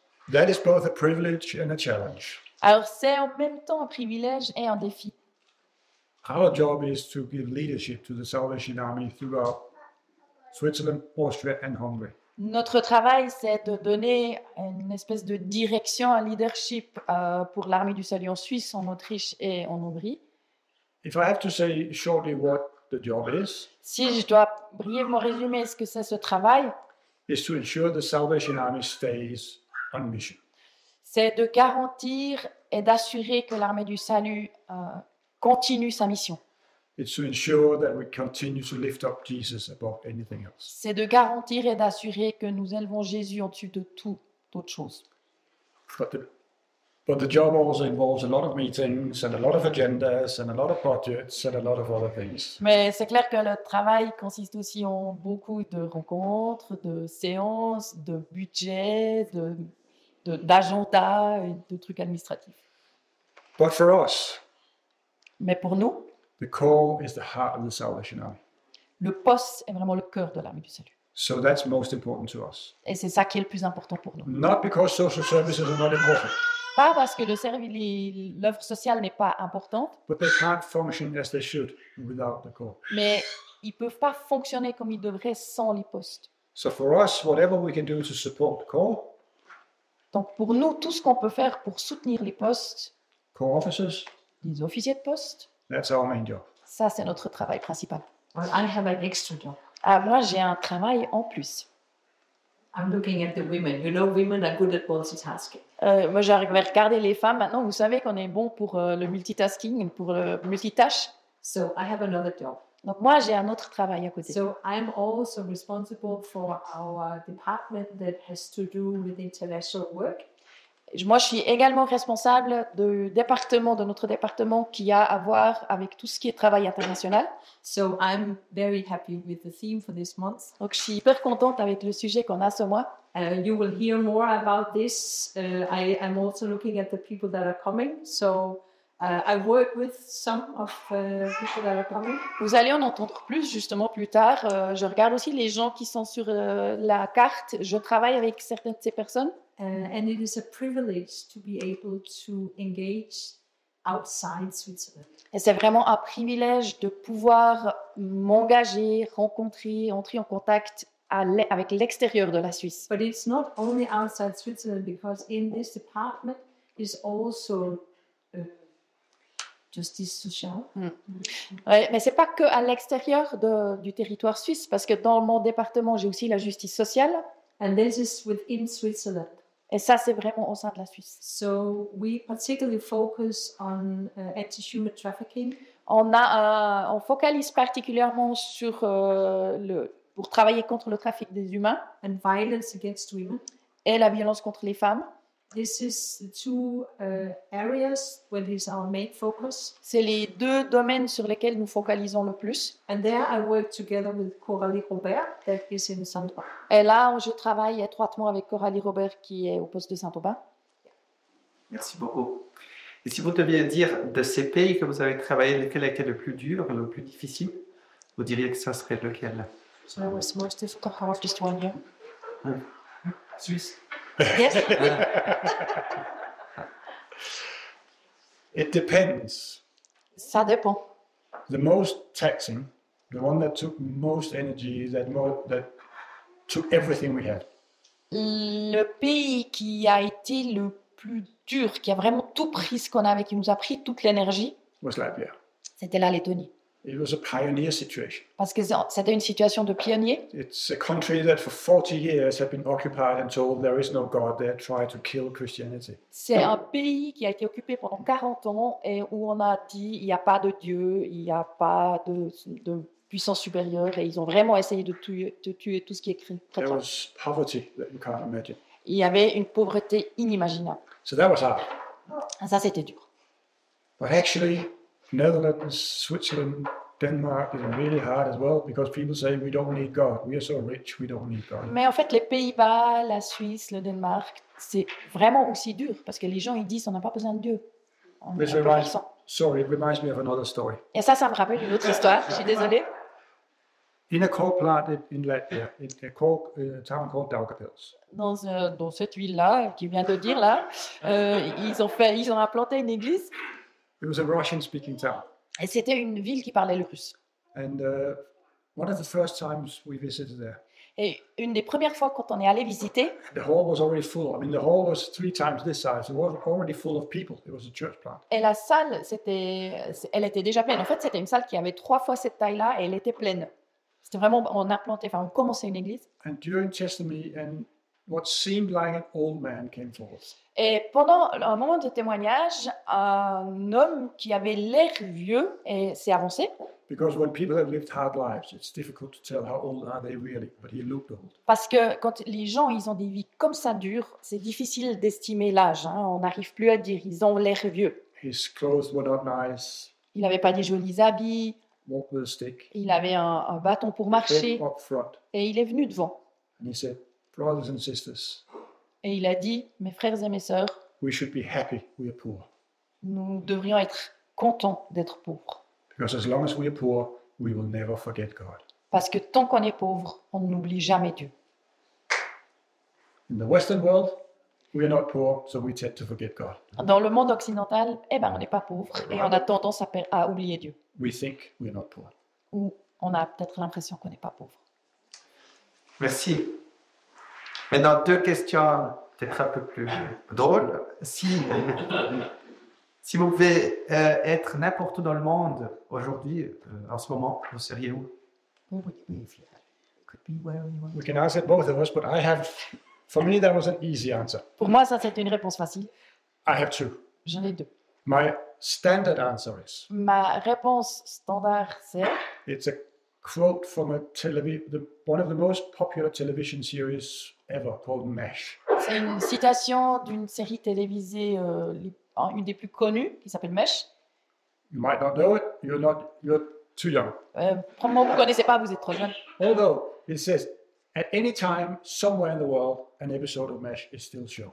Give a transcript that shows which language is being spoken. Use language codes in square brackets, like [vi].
[en] That is both a privilege and a challenge. [fr] Alors c'est en même temps un privilège et un défi. [en] Our job is to give leadership to the Salvation Army throughout Switzerland, Austria and Hungary. [fr] Notre travail c'est de donner une espèce de direction, un leadership pour l'armée du salut en Suisse, en Autriche et en Hongrie. [en] If I have to say shortly what the job is, [fr] si je dois brièvement résumer ce que c'est ce travail, [en] is to ensure the Salvation Army stays on mission. [fr] C'est de garantir et d'assurer que l'armée du salut continue sa mission. [en] It's to ensure that we continue to lift up Jesus above anything else. [fr] C'est de garantir et d'assurer que nous élevons Jésus au-dessus de tout autre chose. [en] But the job also involves a lot of meetings and a lot of agendas and a lot of budgets and a lot of other things. [fr] Mais c'est clair que le travail consiste aussi en beaucoup de rencontres, de séances, de budgets, d'agenda et de trucs administratifs. [en] But for us, [fr] mais pour nous, [en] the core is the heart of the Salvation Army. [fr] Le poste est vraiment le cœur de l'armée du salut. [en] So that's most important to us. [fr] Et c'est ça qui est le plus important pour nous. [en] Not because social services are not important. [fr] Pas parce que l'œuvre sociale n'est pas importante. [en] But they can't function as they should without the corps. [fr] Mais ils ne peuvent pas fonctionner comme ils devraient sans l'IPOST. [en] So for us, whatever we can do to support the corps, [fr] donc pour nous, tout ce qu'on peut faire pour soutenir l'IPOST [en] co-officers. [fr] Les officiers de poste. [en] That's our main job. [fr] Ça, c'est notre travail principal. [en] Well, I have an extra job. [fr] Ah, moi, j'ai un travail en plus. [en] I'm looking at the women. You know, women are good at multitasking. [fr] Moi, je vais regarder les femmes. Maintenant, vous savez qu'on est bon pour le multitasking, pour le multitâche. [en] So, I have another job. [fr] Donc moi j'ai un autre travail à côté. [en] So I'm also responsible for our department that has to do with international work. [fr] Moi je suis également responsable du département de notre département qui a à voir avec tout ce qui est travail international. [en] So I'm very happy with the theme for this month. [fr] Donc je suis hyper contente avec le sujet qu'on a ce mois. [en] You will hear more about this. I'm also looking at the people that are coming. So I work with some of people that are coming. [fr] Vous allez en entendre plus justement plus tard. Je regarde aussi les gens qui sont sur la carte. Je travaille avec certaines de ces personnes. [en] And it is a privilege to be able to engage outside Switzerland. [fr] Et c'est vraiment un privilège de pouvoir m'engager, rencontrer, entrer en contact avec l'extérieur de la Suisse. [en] But it's not only outside Switzerland because in this department is also [fr] justice sociale. Mm. Ouais, mais ce n'est pas qu'à l'extérieur du territoire suisse, parce que dans mon département, j'ai aussi la justice sociale. [en] And this is within Switzerland. [fr] Et ça, c'est vraiment au sein de la Suisse. [en] So we particularly focus on anti-human trafficking. [fr] On focalise particulièrement sur pour travailler contre le trafic des humains. [en] And violence against women. [fr] Et la violence contre les femmes. [en] This is the two areas where is our main focus. [fr] C'est les deux domaines sur lesquels nous focalisons le plus. [en] And there I work together with Coralie Robert that is in Saint-Aubin. [fr] Et là, je travaille étroitement avec Coralie Robert qui est au poste de Saint-Aubin. Merci beaucoup. Et si vous deviez dire de ces pays que vous avez travaillé, lequel a été le plus dur, le plus difficile, vous diriez que ça serait lequel? [en] That was most difficult, the hardest one, yeah. [fr] Suisse. [en] Yes. It depends. [fr] Ça dépend. [en] The most taxing, the one that took most energy, that took everything we had. [fr] Le pays qui a été le plus dur, qui a vraiment tout pris ce qu'on avait, qui nous a pris toute l'énergie. [en] Was Latvia. [fr] C'était la Lettonie. [en] It was a pioneer situation. [fr] Parce que c'était une situation de pionnier. [en] It's a country that for 40 years had been occupied and told there is no God. They tried to kill Christianity. [fr] C'est un pays qui a été occupé pendant 40 ans et où on a dit il n'y a pas de Dieu, il n'y a pas de puissance supérieure et ils ont vraiment essayé de tuer tout ce qui est chrétien. [en] There was poverty that you can't imagine. [fr] Il y avait une pauvreté inimaginable. [en] So that was hard. [fr] Ça c'était dur. [en] But actually. Netherlands, Switzerland, Denmark is really hard as well because people say we don't need God. We are so rich, we don't need God. [fr] Mais en fait, les Pays-Bas, la Suisse, le Danemark, c'est vraiment aussi dur parce que les gens ils disent on n'a pas besoin de Dieu. [en] It reminds me of another story. [fr] Et ça me rappelle une autre histoire. Je suis désolé. [en] In a coal plant in Latvia, in a coal town called Daugavpils. [fr] Dans cette ville là, qui vient de dire là, ils ont implanté une église. [en] It was a Russian-speaking town. [fr] Et c'était une ville qui parlait le russe. [en] And one of the first times we visited there. [fr] Et une des premières fois quand on est allé visiter. [en] The hall was already full. I mean, the hall was three times this size. It was already full of people. It was a church plant. [fr] Et la salle, elle était déjà pleine. En fait, c'était une salle qui avait trois fois cette taille-là et elle était pleine. C'était vraiment on commençait une église. [en] And during testimony and what seemed like an old man came forth. [fr] Et pendant un moment de témoignage, un homme qui avait l'air vieux s'est avancé. [en] Because when people have lived hard lives, it's difficult to tell how old are they really, but he looked old. [fr] Parce que quand les gens ils ont des vies comme ça dures, c'est difficile d'estimer l'âge, hein. On n'arrive plus à dire ils ont l'air vieux. [en] His clothes were not nice. [fr] Il n'avait pas des jolis habits. [en] Walked with a stick. [fr] Il avait un bâton pour marcher. [en] Up front. [fr] Et il est venu devant. [en] And he said, brothers and sisters. [fr] Et il a dit, mes frères et mes sœurs, [en] we should be happy we are poor. [fr] Nous devrions être contents d'être pauvres. [en] Because as long as we are poor, we will never forget God. [fr] Parce que tant qu'on est pauvre, on n'oublie jamais Dieu. [en] In the Western world, we are not poor, so we tend to forget God. [fr] Dans le monde occidental, on n'est pas pauvre et on a tendance à oublier Dieu. [en] We think we are not poor. [fr] Ou on a peut-être l'impression qu'on n'est pas pauvre. Merci. Maintenant, deux questions peut-être un peu plus drôles. Si, Si vous pouvez être n'importe où dans le monde aujourd'hui, en ce moment, vous seriez où? [en] We can answer both of us, but I have, for me, that was an easy answer. [fr] Pour moi, ça c'est une réponse facile. [en] I have two. [fr] J'en ai deux. [en] My standard answer is. [fr] Ma réponse standard c'est. [en] It's a quote from one of the most popular television series ever called MASH. [fr] C'est une citation d'une série télévisée une des plus connues qui s'appelle MASH. [en] You might not know it. You're too young. [fr] Probablement vous connaissez pas. Vous êtes trop jeune. [en] Although it says at any time somewhere in the world an episode of MASH is still shown.